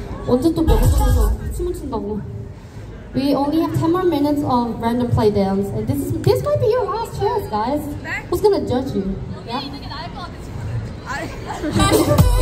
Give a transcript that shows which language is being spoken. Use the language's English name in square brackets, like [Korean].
[Korean] 언제 또 배고파서 춤을 춘다고? [English] We only have 10 more minutes of random play dance. And this might be your last chance, guys. [Korean] 네? [English] Who's gonna judge you? [Korean] 여기 yeah? 있는 게 나을 것 같아, 친구들.